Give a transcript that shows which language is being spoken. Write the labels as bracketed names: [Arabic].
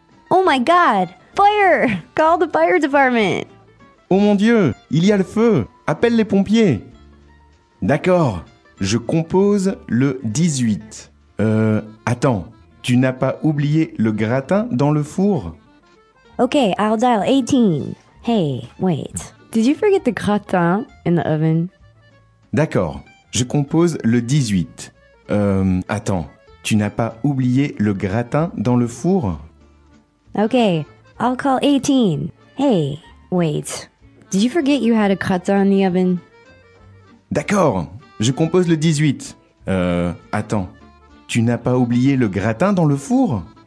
[English] Oh my God! Fire! Call the fire department! [French] Oh mon Dieu! Il y a le feu! Appelle les pompiers! D'accord! Je compose le 18. Attends! Tu n'as pas oublié le gratin dans le four? [English] Okay, I'll dial 18. Hey, wait. Did you forget the gratin in the oven? [French] D'accord, je compose le 18. Attends, tu n'as pas oublié le gratin dans le four? [English] Okay, I'll call 18. Hey, wait. Did you forget you had a gratin in the oven? [French] D'accord, je compose le 18. Attends, tu n'as pas oublié le gratin dans le four?